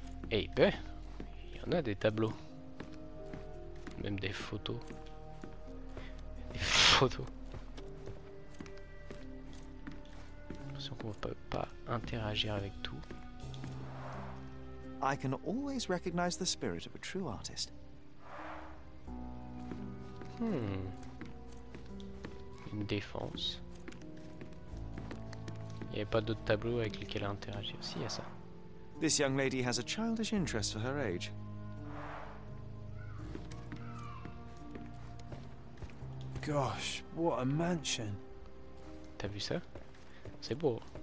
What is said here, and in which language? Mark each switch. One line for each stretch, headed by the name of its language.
French: Eh ben, il y en a des tableaux. Même des photos. Des photos. J'ai l'impression qu'on peut pas interagir avec tout.
English: I can always recognize the spirit of a true artist.
French: Une défense. Il y a pas d'autres tableaux avec lesquels interagir. Si, il y a ça.
English: This young lady has a childish interest for her age. Gosh, what a mansion.
French: T'as vu ça? C'est beau.